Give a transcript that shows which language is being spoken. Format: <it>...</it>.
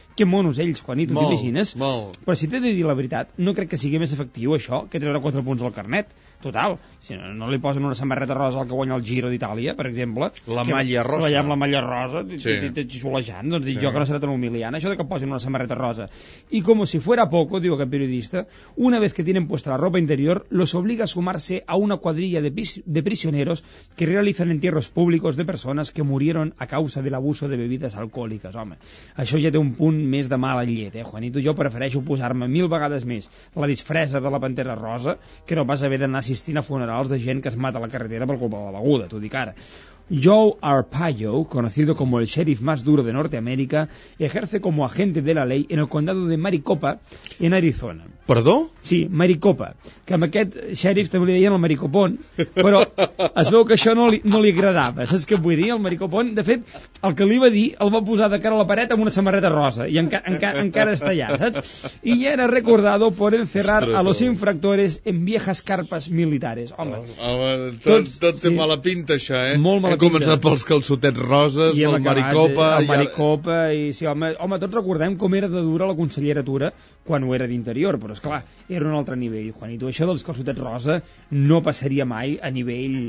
<ca>Que monos ells, quan hi t'ho imagines. Molt. Però si t'he de dir la veritat, no crec que sigui més efectiu això que treure 4 punts al carnet. Total, si no li posen una samarreta rosa al que guanya el Giro d'Itàlia, per exemple. La malla rosa. Allà amb la malla rosa, t'xulejant, doncs dic jo que no serà tan humiliant això de que posin una samarreta rosa.</ca> <es>I com si fuera poco,</es> <ca>diu aquest periodista,</ca> <es>una vez que tienen puesta la ropa interior, los obliga a sumarse a una cuadrilla de prisioneros que realizan entierros públicos de personas que murieron a causa del abuso de bebidas alcohólicas.</es> <ca>Home, això ja té un punt més de mala llet, Juanito. Jo prefereixo posar-me mil vegades més la disfressa de la Pantera Rosa que no pas haver d'anar assistint a funerals de gent que es mata a la carretera per culpa de la beguda, t'ho dic ara.</ca> <es>Joe Arpaio, conocido como el sheriff más duro de Norteamérica, ejerce como agente de la ley en el condado de Maricopa, en Arizona.</es> <ca>Perdó? Sí, Maricopa. Que amb aquest sheriff també li deien el Maricopón, però es veu que això no li agradava. Saps què vull dir, el Maricopón? De fet, el que li va dir el va posar de cara a la paret amb una samarreta rosa i encara està allà, saps? I ja era</ca> <es>recordado por encerrar a los infractores en viejas carpas militares.</es> <ca>Home, tot té mala pinta, això, eh? Molt mala pinta. He començat pels calçotets roses, el Maricopa... El Maricopa, i sí, home, tots recordem com era de dura la consellera Tura quan ho era d'interior, però esclar, era un altre nivell, Juanito. Això dels calçotets rosa no passaria mai a nivell...</ca>